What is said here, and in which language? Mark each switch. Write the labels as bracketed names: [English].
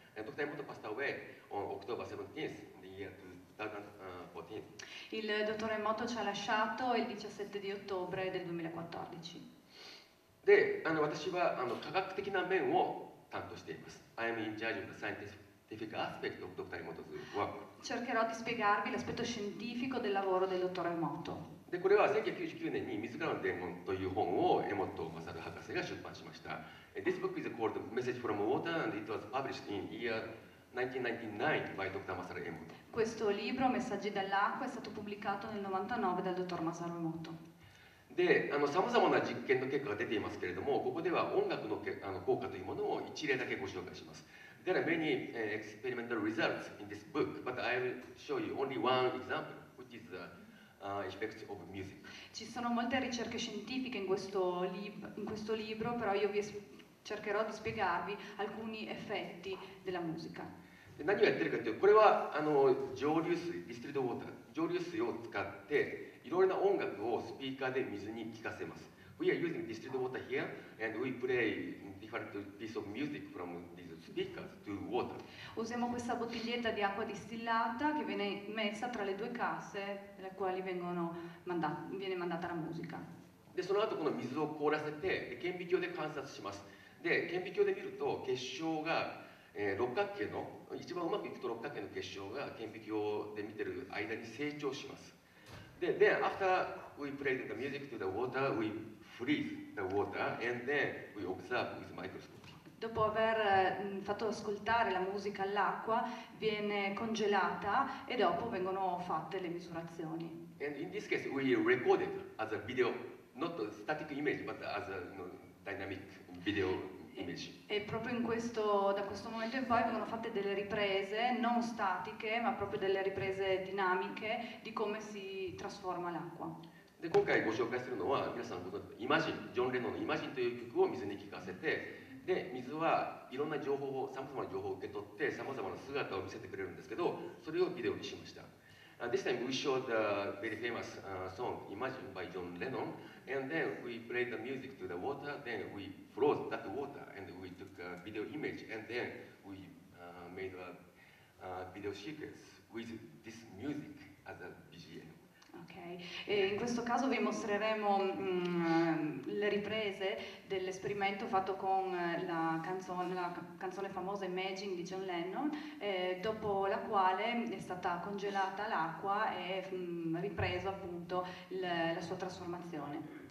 [English] Dr. Emoto passed away on October 17th, the year 2014. [Italian] Il dottor Emoto ci ha lasciato il 17 di ottobre del 2014. [Japanese] で、私は科学的な面を担当しています。 [English] I am in charge of the scientific aspect of Dr. Emoto's work. [Italian] Cercherò di spiegarvi l'aspetto scientifico del lavoro del dottor Emoto. [Japanese] でこれは1999年に自らの伝言という本を江本勝博士が出版しました。 [English] This book is called Message from Water and it was published in year 1999 by Dr. Masaru Emoto. [Italian] Questo libro, Messaggi dall'acqua, è stato pubblicato nel 99 dal dottor Masaru Emoto. [Japanese] で、さまざまな実験の結果が出ていますけれども、ここでは音楽の効果というものを一例だけご紹介します。 [English] There are many experimental results in this book, but I will show you only one example, which is effects of music. [Italian] Ci sono molte ricerche scientifiche in questo libro, però io cercherò di spiegarvi alcuni effetti della musica. [Japanese] 何をやってるかというと、これは蒸留水、 [English] distilled water、 [Japanese] 蒸留水を使っていろいろな音楽をスピーカーで水に聞かせます。 [English] We are using distilled water here and we play different pieces of music from these speakers to water. [Italian] Usiamo questa bottiglietta di acqua distillata che viene messa tra le due casse nelle quali viene mandata la musica. [Japanese] で、その後この水を凍らせて顕微鏡で観察します。で、顕微鏡で見ると結晶が六角形の、一番うまくいくと六角形の結晶が顕微鏡で見てる間に成長します。 [English] で、then afterWe play the music to the water, we freeze the water, and then we observe with microscope. [Italian] Dopo aver fatto ascoltare la musica all'acqua, viene congelata e dopo vengono fatte le misurazioni. [English] And in this case, we record it as a video, not a static image, but as a dynamic video image. [Italian] E proprio da questo momento in poi vengono fatte delle riprese, non statiche, ma proprio delle riprese dinamiche di come si trasforma l'acqua. [Japanese] で今回ご紹介するのは皆さんご存知のイマジン、ジョン・レノンのイマジンという曲を水に聞かせて、で水はいろんな情報を、さまざまな情報を受け取って、さまざまな姿を見せてくれるんですけど、それをビデオにしました。 [English] This time we showed a very famous song, Imagine by John Lennon, and then we played the music to the water, then we froze that water, and we took a video image, and then we made a video sequence with this music as a BGM. [Italian] Ok, e in questo caso vi mostreremo le riprese dell'esperimento fatto con la canzone famosa Imagine di John Lennon, dopo la quale è stata congelata l'acqua e ripreso appunto la sua trasformazione.